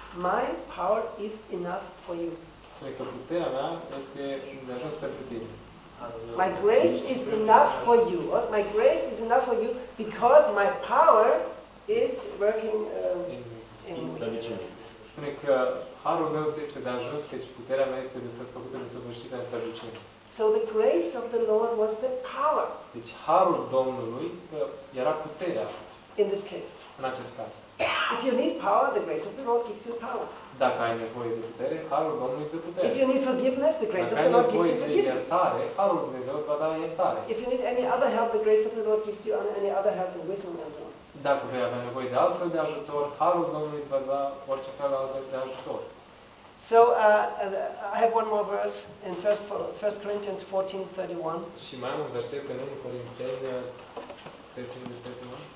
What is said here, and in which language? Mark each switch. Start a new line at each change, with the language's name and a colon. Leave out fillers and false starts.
English: My power is enough for you.
Romanian: Spune că puterea mea este de ajuns pentru tine.
English: My grace is enough for you. My grace is enough for you because my power is working in
Romanian: slăbiciune. Spune că harul meu ți este de ajuns, căci puterea mea este desfăcută de săvârșirea în slăbiciune.
English: So the grace of the Lord was the power.
Romanian: Deci harul Domnului era puterea.
English: In this case.
Romanian: În acest caz.
English: If you need power, the grace of the Lord gives you power.
Romanian: Dacă ai nevoie de putere, harul Domnului îți dă putere.
English: If you need forgiveness, the grace of the Lord gives you forgiveness.
Romanian: Dacă ai nevoie de iertare, harul Dumnezeu îți va da iertare.
English: If you need any other help, the grace of the Lord gives you any other help and wisdom and so on.
Romanian: Dacă vei avea nevoie de altfel de ajutor, harul Domnului îți va da orice fel de ajutor.
English: So I have one more verse in 1 Corinthians 14:31.
Romanian: Și mai am un verset în 1 Corinthians 14:31.